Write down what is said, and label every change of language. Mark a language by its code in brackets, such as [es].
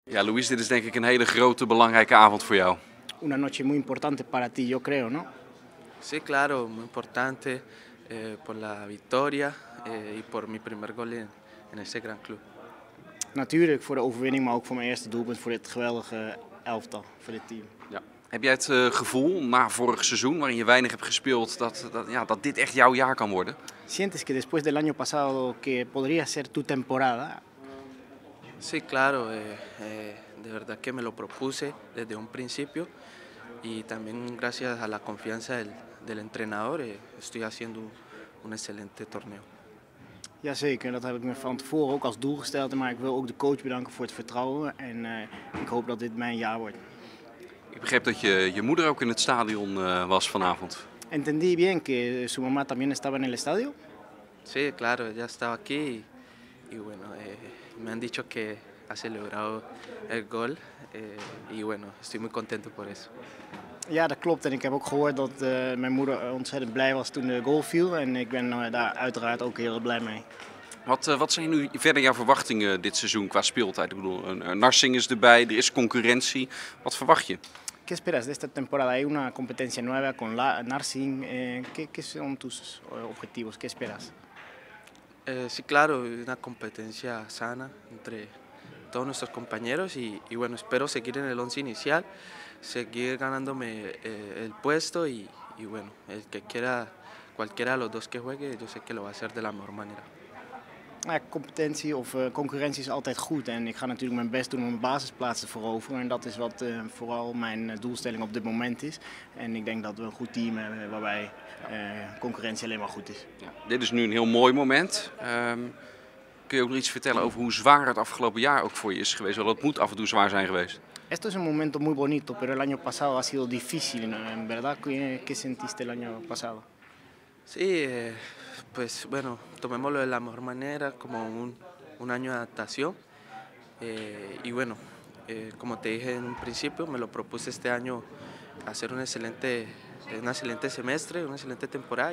[nl] Ja, Luis, dit is denk ik een hele grote, belangrijke avond voor jou. [es] Una noche muy importante para ti, yo creo, ¿no? Sí, claro, muy importante por la victoria y por mi primer gol en ese gran club. [nl] Natuurlijk voor de overwinning, maar ook voor mijn eerste doelpunt voor dit geweldige elftal, voor dit team. Ja. Heb jij het gevoel na vorig seizoen, waarin je weinig hebt gespeeld, dat dit echt jouw jaar kan worden? [es] Sientes que después del año pasado que podría ser tu temporada? Sí, claro. De verdad que me lo propuse desde un principio y también gracias a la confianza del entrenador estoy haciendo un excelente torneo. [nl] Ja, zeker. Dat heb ik me van tevoren ook als doel gesteld, maar ik wil ook de coach bedanken voor het vertrouwen en ik hoop dat dit mijn jaar wordt. Ik begreep dat je moeder ook in het stadion was vanavond. [es] Entendí bien que su mamá también estaba en el estadio. Sí, claro, ella estaba aquí y bueno, me han dicho que ha celebrado el gol y bueno, estoy muy contento por eso. [nl] Ja, dat klopt en ik heb ook gehoord dat mijn moeder ontzettend blij was toen de goal viel en ik ben daar uiteraard ook heel blij mee. Wat zijn nu verder jouw verwachtingen dit seizoen qua speeltijd? Ik bedoel, Narsing is erbij, er is concurrentie. Wat verwacht je? [es] ¿Qué esperas de esta temporada? Hay una competencia nueva con Narsing. ¿Qué son tus objetivos? ¿Qué esperas? Sí, claro, una competencia sana entre todos nuestros compañeros y bueno, espero seguir en el once inicial, seguir ganándome el puesto y bueno, el que quiera, cualquiera de los dos que juegue, yo sé que lo va a hacer de la mejor manera. [nl] Ja, competentie of concurrentie is altijd goed en ik ga natuurlijk mijn best doen om een basisplaats te veroveren en dat is wat vooral mijn doelstelling op dit moment is. En ik denk dat we een goed team hebben waarbij concurrentie alleen maar goed is. Ja. Dit is nu een heel mooi moment. Kun je ook nog iets vertellen over hoe zwaar het afgelopen jaar ook voor je is geweest? Want het moet af en toe zwaar zijn geweest. [es] Esto es un momento muy bonito, pero el año pasado ha sido difícil, en verdad. ¿Qué sentiste el año pasado? Sí, pues bueno, tomémoslo de la mejor manera, como un año de adaptación. Y bueno, como te dije en un principio, me lo propuse este año hacer un excelente semestre, una excelente temporada.